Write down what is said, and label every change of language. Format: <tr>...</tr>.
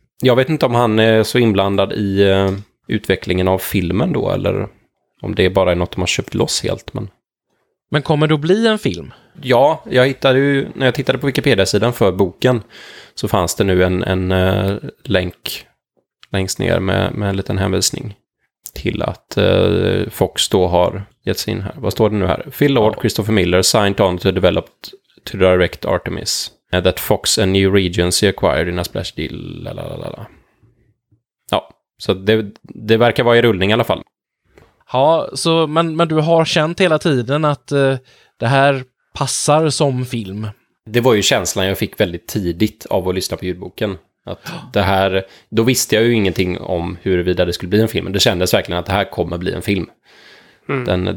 <sv>Jag vet inte om han är så inblandad i utvecklingen av filmen då eller om det bara är något de har köpt loss helt. Men kommer det att bli en film? Ja, jag hittade ju, när jag tittade på Wikipedia-sidan för boken så fanns det nu en länk längst ner med en liten hänvisning till att Fox då har gett sig in här. Vad står det nu här?</sv> <en>Phil Lord, Christopher Miller, signed on to develop to direct Artemis. That Fox and New Regency acquired in a splash deal.</en> <sv>Lalalala. Ja, så det verkar vara i rullning i alla fall. Ja, så, men du har känt hela tiden att det här passar som film. Det var ju känslan jag fick väldigt tidigt av att lyssna på ljudboken. Att det här, då visste jag ju ingenting om huruvida det skulle bli en film. Det kändes verkligen att det här kommer bli en film. Mm.</sv>